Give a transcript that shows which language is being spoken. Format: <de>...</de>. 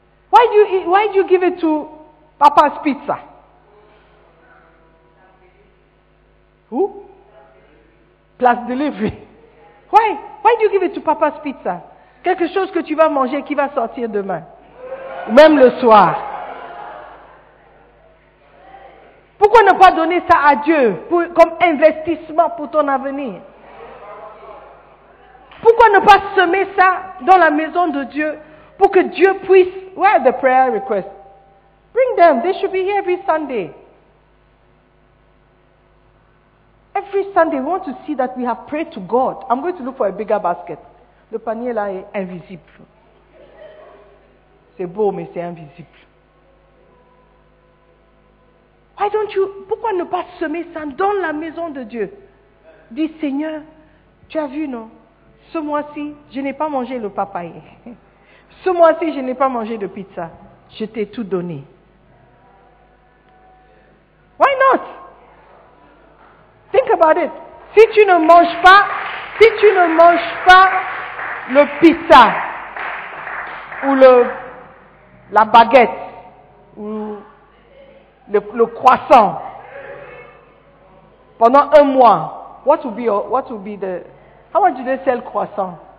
<en>Why do you give it to Papa's Pizza? Who? Plus delivery. Why? Why do you give it to Papa's Pizza?</en> <fr>Quelque chose que tu vas manger qui va sortir demain. Ou même le soir. Pourquoi ne pas donner ça à Dieu pour, comme investissement pour ton avenir? Pourquoi ne pas semer ça dans la maison de Dieu pour que Dieu puisse...</fr> <en>Where are the prayer requests? Bring them. They should be here every Sunday. Every Sunday, we want to see that we have prayed to God. I'm going to look for a bigger basket.</en> <fr>Le panier là est invisible. C'est beau, mais c'est invisible.</fr> <en>Why don't you?</en> <fr>Pourquoi ne pas semer ça dans la maison de Dieu? Dis, Seigneur, tu as vu, non? Ce mois-ci, je n'ai pas mangé le papaye. Ce mois-ci, je n'ai pas mangé de pizza. Je t'ai tout donné.</fr> <en>Why not? Think about it.</en> <fr>Si tu ne manges pas, si tu ne manges pas le pizza ou la baguette ou le croissant pendant un mois,</fr> <en>how much do they sell croissant?</en>